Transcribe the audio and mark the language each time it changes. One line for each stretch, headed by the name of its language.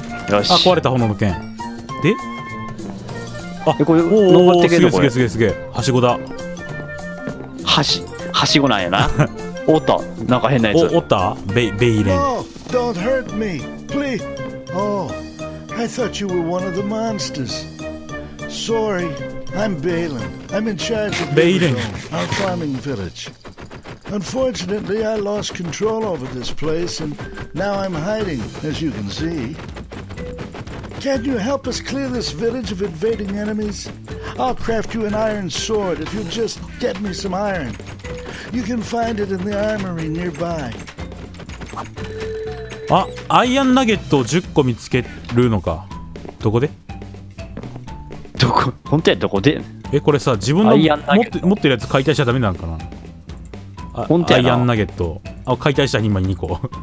Japanese: よし、あ、壊れた炎の剣で。あ、これ登ってけど。これすげえすげえすげえすげえ。はしごだ。はしごなんやな。おった、なんか変なやつ。おった。ベイレン。
English: Don't hurt me, please. Oh, I thought you were one of the monsters. Sorry, I'm Balin. I'm in charge of Balin, our farming village. Unfortunately, I lost control over this place, and now I'm hiding, as you can see. Can you help us clear this village of invading enemies? I'll craft you an iron sword if you'll just get me some iron. You can find it in the armory nearby.
Japanese: あ、アイアンナゲットを10個見つけるのか。どこで？どこ？本当や、どこで？え、これさ、自分の持ってるやつ解体しちゃダメなのかな？本当やな。アイアンナゲット。あ、解体したら今2個。